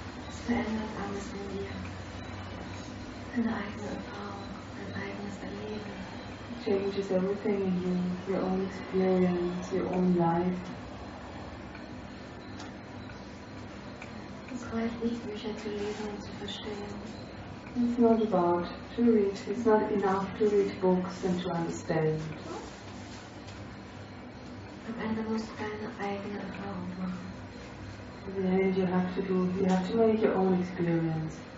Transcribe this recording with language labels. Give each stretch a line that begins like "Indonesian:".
German: Es verändert alles in dir. Deine eigene Erfahrung, dein eigenes Erleben.
English: It changes everything in you, your own experience, your own life.
German: Es reicht nicht, Bücher zu lesen und zu verstehen.
English: It's not about to read, it's not enough to read books and to understand. In the end you have to make your own experience.